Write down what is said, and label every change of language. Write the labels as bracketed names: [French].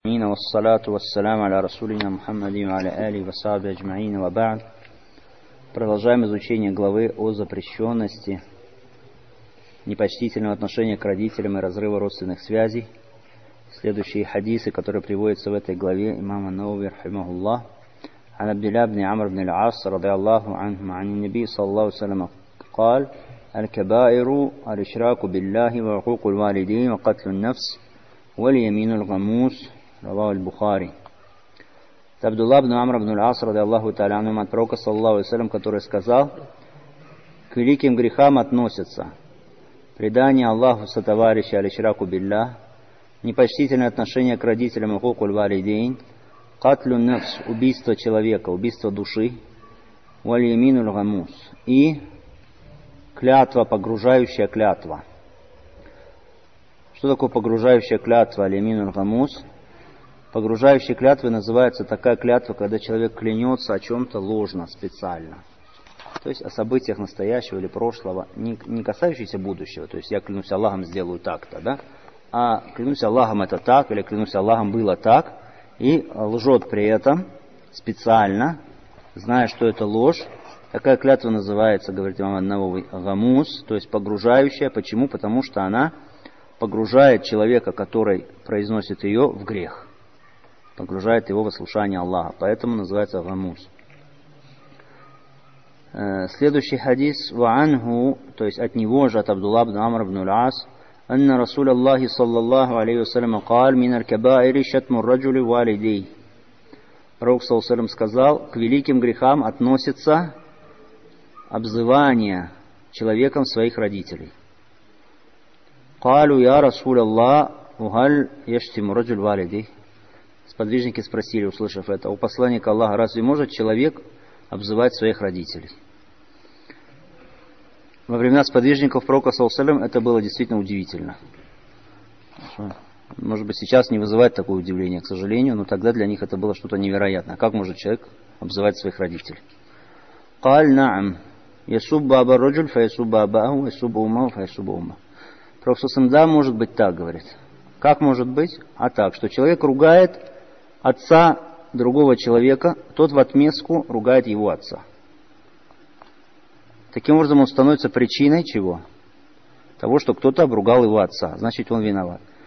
[Arabic] أمين والصلاة والسلام على رسولنا محمد وعلى آله وصحبه أجمعين وبعد. [Russian] Продолжаем изучение главы о запрещенности непочтительного отношения к родителям и разрыва родственных связей. Следующие хадисы, которые приводятся в этой главе имама Нового رحمه الله. [Arabic] عن عبد الله بن عمرو بن العاص رضي الله عنه عن النبي صلى الله عليه وسلم قال الكبائر الإشراك بالله وعقوق الوالدين وقتل النفس واليمين الغموس رواه البخاري. عبد الله بن عمرو بن العاص رضي الله تعالى عنه عن [Russian] пророка [Arabic] صلى الله عليه وسلم [Russian] который сказал к великим грехам относятся предание Аллаху сотоварища [Arabic] الإشراك بالله [Russian] непочтительное отношение к родителям [Arabic] وعقوق الوالدين قتلُ النفس – [Russian] убийство человека, убийство души. [Arabic] وَالْيَمِينُ الْغَمُوسُ [Russian] – и клятва, погружающая клятва. Что такое погружающая клятва? [Arabic] وَالْيَمِينُ الْغَمُوسُ [Russian] – погружающая клятва называется такая клятва, когда человек клянется о чем-то ложно, специально. То есть о событиях настоящего или прошлого, не касающихся будущего. То есть я клянусь Аллахом, сделаю так-то, да? А клянусь Аллахом – это так, или клянусь Аллахом – было так. И лжет при этом специально, зная, что это ложь. Такая клятва называется, говорит имам ан-Навави, гамус, то есть погружающая. Почему? Потому что она погружает человека, который произносит ее, в грех. Погружает его в ослушание Аллаха. Поэтому называется гамус. Следующий хадис. Ва-ангу, то есть от него же, от Абдулла ибн Амр ибн аль-Ас. [Arabic] أن رسول الله صلى الله عليه وسلم قال من الكبائر شتم الرجل والديه. [Russian] Пророк صلى الله عليه وسلم сказал, к великим грехам относится обзывание человеком своих родителей. [Arabic] قالوا يا رسول الله وهل يشتم الرجل والديه. [Russian] Сподвижники спросили, услышав это, у посланника Аллаха, разве может человек обзывать своих родителей? Во времена сподвижников пророка саллаллаху алейхи ва саллям это было действительно удивительно. Может быть, сейчас не вызывает такое удивление, к сожалению, но тогда для них это было что-то невероятное. Как может человек обзывать своих родителей? [Arabic] قال نعم يسب باب الرجل فيسب باباه ويسب امه فيسب امه. [Russian] Пророк саллаллаху алейхи ва саллям, да, может быть так, говорит. Как может быть? А так, что человек ругает отца другого человека, тот в отместку ругает его отца. Таким образом, он становится причиной чего? Того, что кто-то обругал его отца. Значит, он виноват.